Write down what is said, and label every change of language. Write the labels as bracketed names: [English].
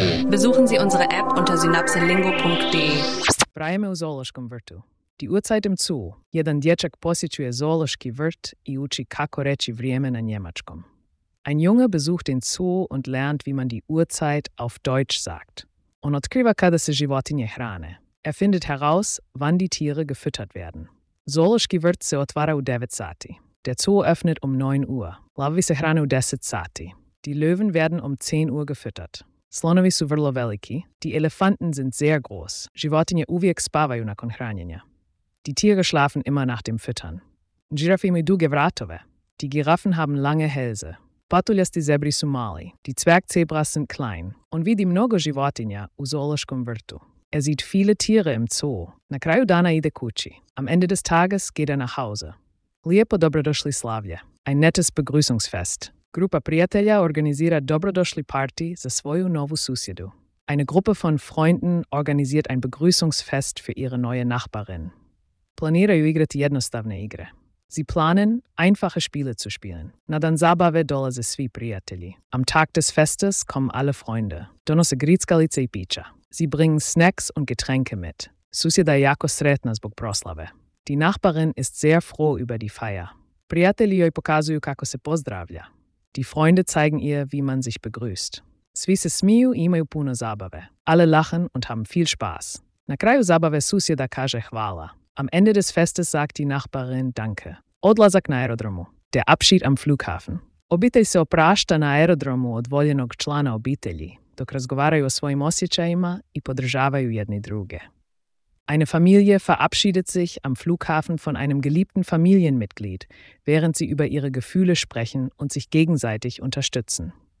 [German] Besuchen Sie unsere App unter synapselingo.de. [Croatian] Prajeme u zološkom vrtu. Ti uocajt im zu. Jedan dječak posjećuje zološki vrt i uči kako reći vrijeme na njemačkom. [German] Ein Junge besucht den Zoo und lernt, wie man die Uhrzeit auf Deutsch sagt. Und [Croatian] otkriva kada se životinje hrane. [German] Er findet heraus, wann die Tiere gefüttert werden. [Croatian] Zološki vrt se otvara u 9 sati. [German] Der Zoo öffnet um 9 Uhr. [Croatian] Lavovi se hrane u 10 sati. [German] Die Löwen werden um 10 Uhr gefüttert. [Croatian] Slonovi su vrlo veliki. [German] Die Elefanten sind sehr groß. [Croatian] Životinje uvijek spavaju nakon hranjenja. [German] Die Tiere schlafen immer nach dem Füttern. [Croatian] Giraffe imaju duge vratove. [German] Die Giraffen haben lange Hälse. [Croatian] Patuljasti zebri su mali. [German] Die Zwergzebras sind klein. [Croatian] On vidi mnogo životinja u zološkom vrtu. [German] Er sieht viele Tiere im Zoo. [Croatian] Na kraju dana ide kući. [German] Am Ende des Tages geht nach Hause. [Croatian] Lijepo dobrodošli slavlje. [German] Ein nettes Begrüßungsfest. [Croatian] Grupa prijatelja organizira dobrodošli party za svoju novu susjedu. [German] Eine Gruppe von Freunden organisiert ein Begrüßungsfest für ihre neue Nachbarin. [Croatian] Planiraju igrati jednostavne igre. [German] Sie planen, einfache Spiele zu spielen. [Croatian] Na dan zabave dolaze svi prijatelji. [German] Am Tag des Festes kommen alle Freunde. [Croatian] Donose grickalice i pića. [German] Sie bringen Snacks und Getränke mit. [Croatian] Susjeda je jako sretna zbog proslave. [German] Die Nachbarin ist sehr froh über die Feier. [Croatian] Prijatelji joj pokazuju kako se pozdravlja. [German] Die Freunde zeigen ihr, wie man sich begrüßt. [Croatian] Svi se smiju i imaju puno zabave. [German] Alle lachen und haben viel Spaß. [Croatian] Na kraju zabave susjeda kaže hvala. [German] Am Ende des Festes sagt die Nachbarin Danke. [Croatian] Odlazak na aerodromu. [German] Der Abschied am Flughafen. [Croatian] Obitelj se oprašta na aerodromu od voljenog člana obitelji, dok razgovaraju o svojim osjećajima i podržavaju jedni druge. [German] Eine Familie verabschiedet sich am Flughafen von einem geliebten Familienmitglied, während sie über ihre Gefühle sprechen und sich gegenseitig unterstützen.